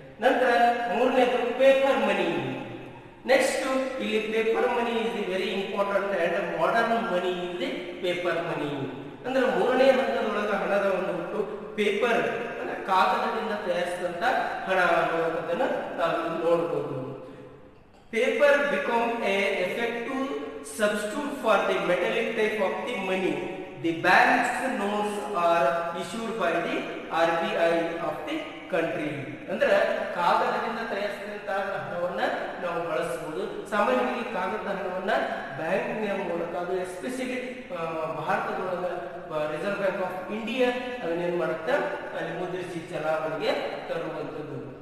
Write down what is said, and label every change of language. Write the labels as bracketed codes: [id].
[kn] ನಂತರ ಮೂರನೇದು paper money. [en] Next ಇಲ್ಲಿ paper money is the very important and modern money is the paper money. [kn] ಅಂದ್ರೆ ಮೂರನೇ ಹಂತದೊಳಗ ಹಣದ ಒಂದು ಹುಟ್ಟು ಪೇಪರ್ ಅಂದ್ರೆ ಕಾಗದದಿಂದ ತಯಾರಿಸಿದಂತ ಹಣ ಅನ್ನುವಂಥದ್ದನ್ನ ನಾವು ನೋಡಬಹುದು. [en] Paper become a effective substitute for the metallic type of the money. The bank's notes are issued by the RBI of the country. [kn] ಅಂದ್ರೆ ಕಾಗದದಿಂದ ತಯಾರಿಸಿದಂತಹ ಹಣವನ್ನ ನಾವು ಬಳಸಬಹುದು. ಸಾಮಾನ್ಯವಾಗಿ ಕಾಗದದ ಹಣವನ್ನ ಬ್ಯಾಂಕ್ ಮೂಲಕ ಅದು especially ಭಾರತದೊಳಗ reserve bank of India ಅದನ್ನೇನ್ ಮಾಡುತ್ತೆ ಅಲ್ಲಿ ಮುದ್ರಿಸಿ ಚಲಾವಣೆಗೆ ತರುವಂಥದ್ದು.